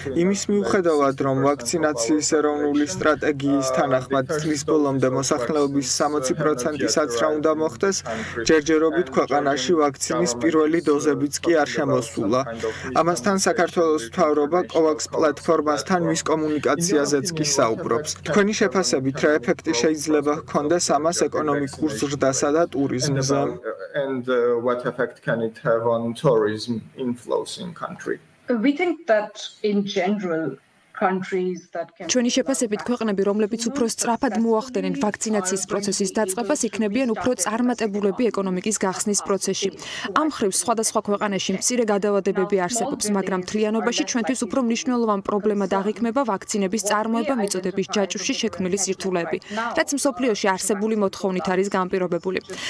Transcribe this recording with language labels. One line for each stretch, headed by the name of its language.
Georgian: იმის მიუხედავად, რომ ვაქცინაციის ეროვნული სტრატეგიის თანახმად წლის ბოლომდე მოსახლეობის 60%-ისაც რა უნდა მოხდეს, ჯერჯერობით ქვეყანაში ვაქცინის პირველი დოზებიც კი არ შემოსულა. ამასთან საქართველოს მთავრობა COVAX პლატფორმასთან მის კომუნიკაციაზეც კი საუბრობს. თქვენი შეფასებით, რა ეფექტი შეიძლება ჰქონდეს ამას ეკონომიკურ ზრდასა და ტურიზმზე?
English: And what effect can it have on tourism inflows in country? We think that in general
Georgian: ჩვენი შეფასებით, ქვეყნები, რომლებიც უფრო სწრაფად მოახდენენ ვაქცინაციის პროცესის დაწყებას, იქნებიან უფრო წარმატებულები ეკონომიკის გახსნის პროცესში. ამ მხრივ სხვადასხვა ქვეყანაში მცირე გადავადებები არსებობს, მაგრამ მთლიანობაში ჩვენთვის უფრო მნიშვნელოვანი პრობლემა დაგიქმება ვაქცინების წარმოება მიწოდების ჯაჭვში შექმნილი სირთულეები, რაც მსოფლიოში არსებული მოთხოვნით არის განპირობებული.